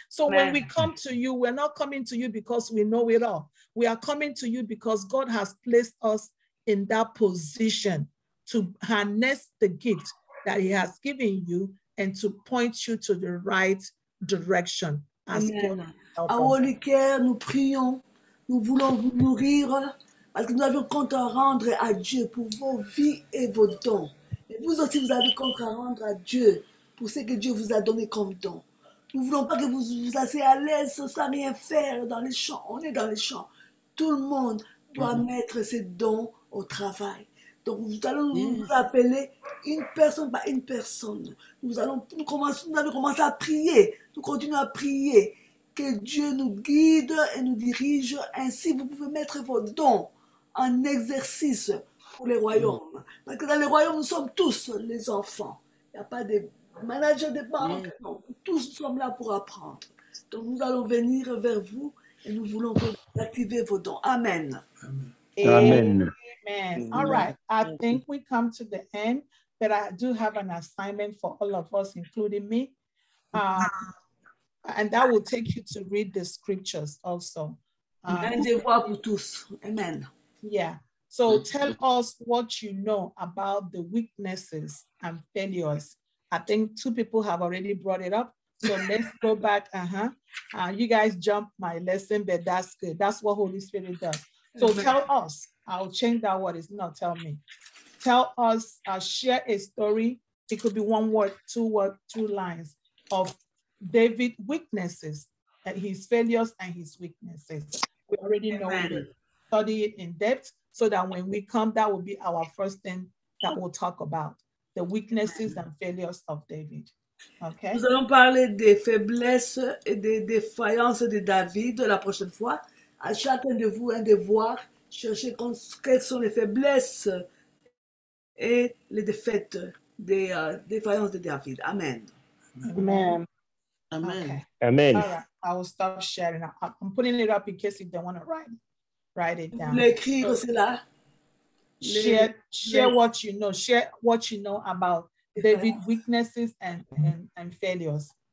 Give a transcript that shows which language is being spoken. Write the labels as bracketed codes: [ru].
[en] So when we come to you, we're not coming to you because we know it all. We are coming to you because God has placed us in that position to harness the gift that he has given you and to point you to the right direction. [fr] À WHOLICARE, nous prions, nous voulons vous nourrir parce que nous avons compte à rendre à Dieu pour vos vies et vos dons. Et vous aussi, vous avez compte à rendre à Dieu pour ce que Dieu vous a donné comme don. Nous ne voulons pas que vous vous asseyez à l'aise sans rien faire dans les champs. On est dans les champs. Tout le monde doit mettre ses dons au travail. Donc, nous allons vous appeler une personne par une personne. Nous allons commencer à prier. Nous continuons à prier. Que Dieu nous guide et nous dirige. Ainsi, vous pouvez mettre vos dons en exercice pour le royaume. Parce que dans le royaume, nous sommes tous les enfants. Il n'y a pas de manager de banque. Non. Tous sommes là pour apprendre. Donc, nous allons venir vers vous et nous voulons que vous activez vos dons. [en] Amen. Amen. Amen. All right. I think we come to the end, but I do have an assignment for all of us, including me. And that will take you to read the scriptures also. Amen. Yeah. So tell us what you know about the weaknesses and failures. I think two people have already brought it up. So let's go back. You guys jumped my lesson, but that's good. That's what Holy Spirit does. So tell us, I'll change that word, it's not tell me. Tell us, share a story. It could be one word, two words, two lines of David's weaknesses, and his failures and his weaknesses. We already know it. Study it in depth so that when we come, that will be our first thing that we'll talk about, the weaknesses and failures of David. Okay? [fr] Nous allons parler des faiblesses et des défaillances de David la prochaine fois. À chacun de vous un devoir, chercher quelles sont les faiblesses et les défaites des défaillances de David. [en] Amen. Amen. Amen. Okay. Amen. All right, I will stop sharing. I'm putting it up in case you don't want to write it down. [fr] L'écrire, c'est là. [en] Share what you know. Share what you know about David's weaknesses and failures.